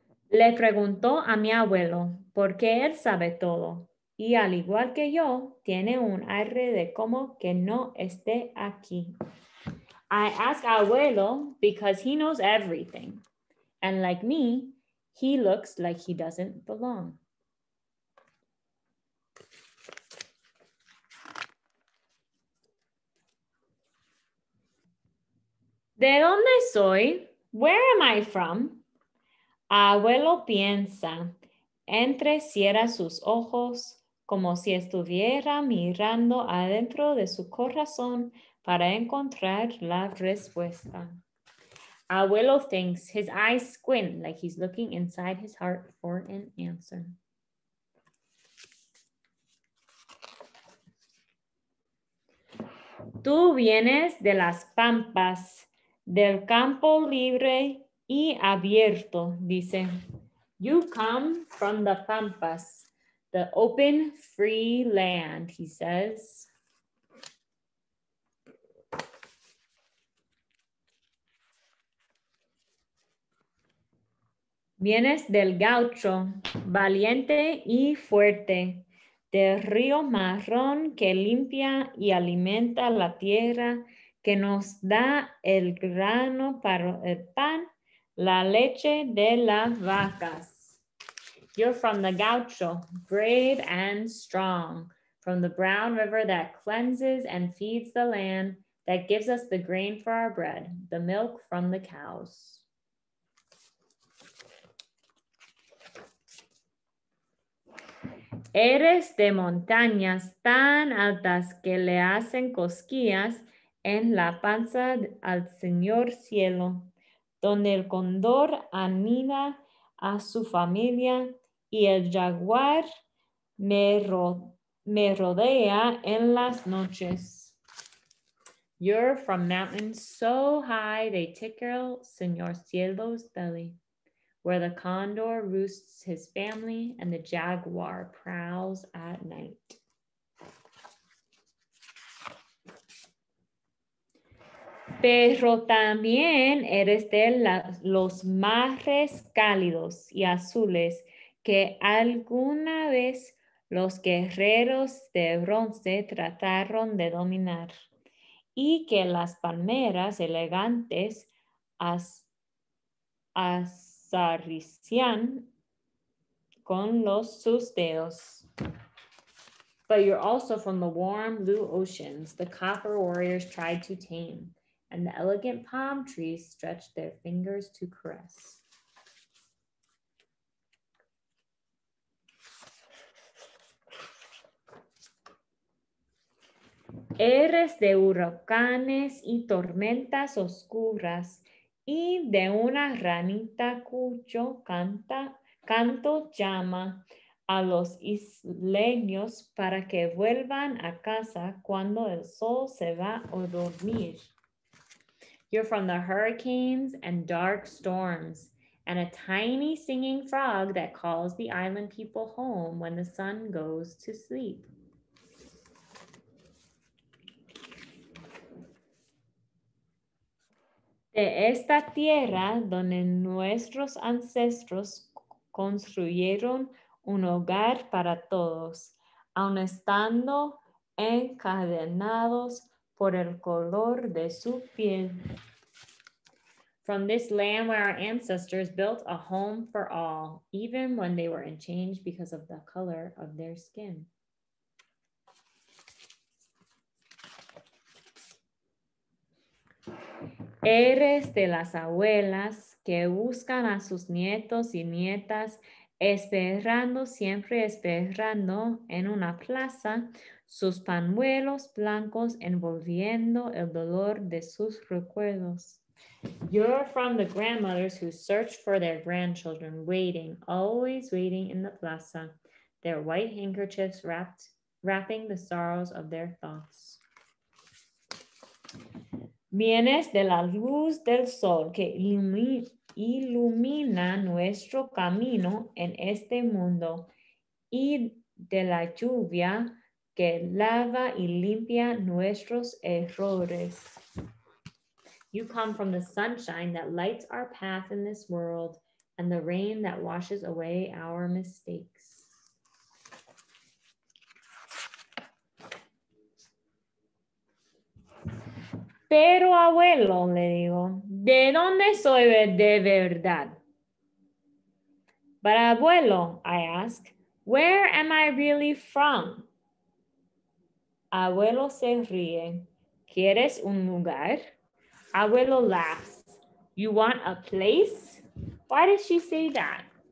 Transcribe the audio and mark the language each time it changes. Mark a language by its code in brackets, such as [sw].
[es] Le preguntó a mi abuelo, porque él sabe todo. Y al igual que yo, tiene un aire de como que no esté aquí. [en] I ask abuelo because he knows everything. And like me, he looks like he doesn't belong. [es] ¿De dónde soy? [en] Where am I from? [es] Abuelo piensa, entrecierra sus ojos como si estuviera mirando adentro de su corazón para encontrar la respuesta. [en] Abuelo thinks, his eyes squint like he's looking inside his heart for an answer. [es] Tú vienes de las pampas, del campo libre y abierto, dice. [en] You come from the pampas, the open, free land, he says. [es] Vienes del gaucho, valiente y fuerte, del río marrón que limpia y alimenta la tierra, que nos da el grano para el pan, la leche de las vacas. [en] You're from the gaucho, brave and strong, from the brown river that cleanses and feeds the land, that gives us the grain for our bread, the milk from the cows. [es] Eres de montañas tan altas que le hacen cosquillas en la panza al señor cielo, donde el cóndor anida a su familia y el jaguar me rodea en las noches. [en] You're from mountains so high they tickle señor cielo's belly, where the condor roosts his family and the jaguar prowls at night. [es] Pero también eres de los mares cálidos y azules que alguna vez los guerreros de bronce trataron de dominar, y que las palmeras elegantes azarician con los sus dedos. [en] But you're also from the warm blue oceans the copper warriors tried to tame, and the elegant palm trees stretched their fingers to caress. [es] Eres de huracanes y tormentas oscuras y de una ranita cuyo canto llama a los isleños para que vuelvan a casa cuando el sol se va a dormir. [en] You're from the hurricanes and dark storms and a tiny singing frog that calls the island people home when the sun goes to sleep. [es] De esta tierra donde nuestros ancestros construyeron un hogar para todos, aun estando encadenados por el color de su piel. [en] From this land where our ancestors built a home for all, even when they were enchained because of the color of their skin. [es] Eres de las abuelas que buscan a sus nietos y nietas, esperando, siempre esperando en una plaza, sus pañuelos blancos envolviendo el dolor de sus recuerdos. [en] You're from the grandmothers who search for their grandchildren, waiting, always waiting in the plaza, their white handkerchiefs wrapping the sorrows of their thoughts. [es] Vienes de la luz del sol que ilumina nuestro camino en este mundo y de la lluvia que lava y limpia nuestros errores. [en] You come from the sunshine that lights our path in this world and the rain that washes away our mistakes. [es] Pero abuelo, le digo, ¿de dónde soy de verdad? [en] But abuelo, I ask, where am I really from? [es] Abuelo se ríe. ¿Quieres un lugar? [en] Abuelo laughs. You want a place? Why did she say that?